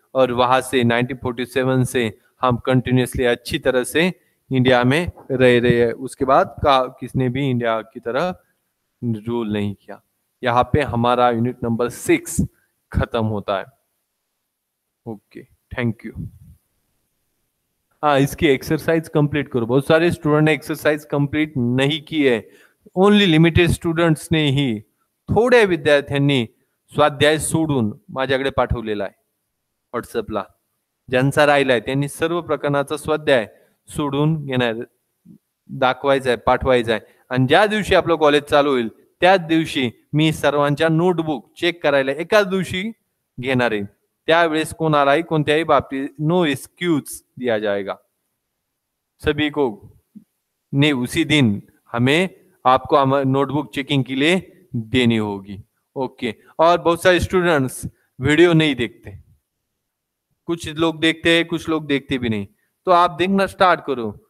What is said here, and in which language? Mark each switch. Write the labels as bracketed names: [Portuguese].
[Hindi] और वहां से 1947 से हम कंटिन्यूसली अच्छी तरह से इंडिया में रह रहे हैं। उसके बाद का किसने भी इंडिया की तरह रूल नहीं किया। यहाँ पे हमारा यूनिट नंबर 6 खत्म होता है। Okay, thank you. हाँ, इसकी एक्सरसाइज कंप्लीट करो। बहुत सारे स्टूडेंट ने एक्सरसाइज कंप्लीट नहीं की है, ओनली लिमिटेड स्टूडेंट्स ने ही, [Marathi] थोड़े विद्यार्थ्यांनी स्वाध्याय सोडून माझ्याकडे पाठवलेला आहे व्हाट्सअपला, ज्यांचा राहिलाय त्यांनी सर्व प्रकरणाचा स्वाध्याय सोडून घेणार, दाखवायचाय, पाठवायचाय। आणि ज्या दिवशी आपलं कॉलेज चालू होईल त्याच दिवशी मी सर्वांच्या नोटबुक चेक करायला एकाच दिवशी घेणार आहे। त्यावेळेस कोणालाही कोणत्याही बाबतीत [Hindi] नो एक्सक्यूज दिया जाएगा, सभी को ने उसी दिन हमें आपको नोटबुक चेकिंग के लिए देनी होगी। ओके, और बहुत सारे स्टूडेंट्स वीडियो नहीं देखते, कुछ लोग देखते हैं, कुछ लोग देखते भी नहीं, तो आप देखना स्टार्ट करो।